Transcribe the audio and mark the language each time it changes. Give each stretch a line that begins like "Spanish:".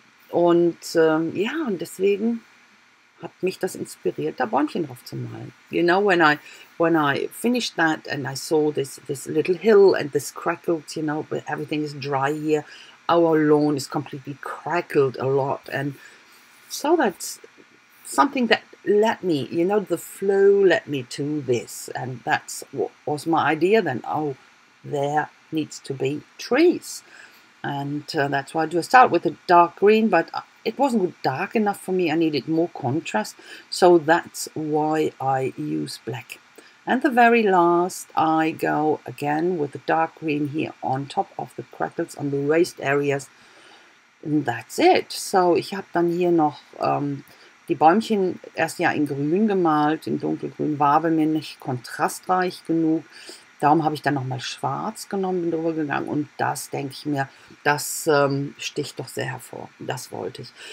German: Und deswegen hat mich das inspiriert, da Bäumchen drauf zu malen.
English: You know, when I finished that and I saw this little hill and this crackled, you know, but everything is dry here. Our lawn is completely crackled a lot. And so that's something that led me, you know, the flow led me to this. And that's what was my idea then. Oh, there needs to be trees. And that's why I do a start with a dark green, but it wasn't dark enough for me. I needed more contrast. So that's why I use black. And the very last, I go again with the dark green here on top of the crackles, on the raised areas. And that's it.
German: So ich habe dann hier noch die Bäumchen erst ja in grün gemalt, in dunkelgrün war bei mir nicht kontrastreich genug. Darum habe ich dann nochmal schwarz genommen, bin drüber gegangen und das, denke ich mir, das sticht doch sehr hervor. Das wollte ich.